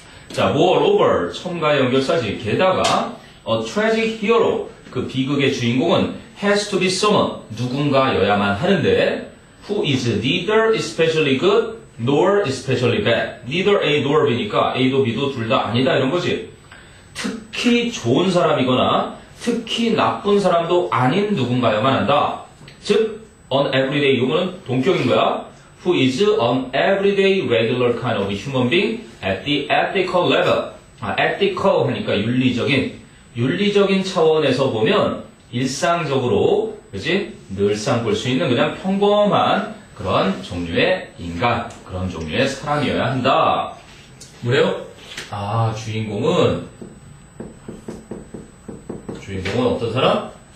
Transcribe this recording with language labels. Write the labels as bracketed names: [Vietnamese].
[English] 자, moreover [Korean] 첨가 연결사지. 게다가 [English] a tragic hero [Korean] 그 비극의 주인공은 [English] has to be someone [Korean] 누군가여야만 하는데 [English] who is neither especially good nor especially bad. neither A nor B [Korean] 니까 A도 B도 둘 다 아니다 이런 거지. 특히 좋은 사람이거나 특히 나쁜 사람도 아닌 누군가여만 한다. 즉, [English] an everyday [Korean] 이거는 동격인 거야. [English] Who is an everyday regular kind of human being at the ethical level. [Korean] 아, ethical 하니까 윤리적인. 윤리적인 차원에서 보면 일상적으로 그렇지? 늘상 볼 수 있는 그냥 평범한 그런 종류의 인간, 그런 종류의 사람이어야 한다. 뭐래요? 아, 주인공은 어떤 사람?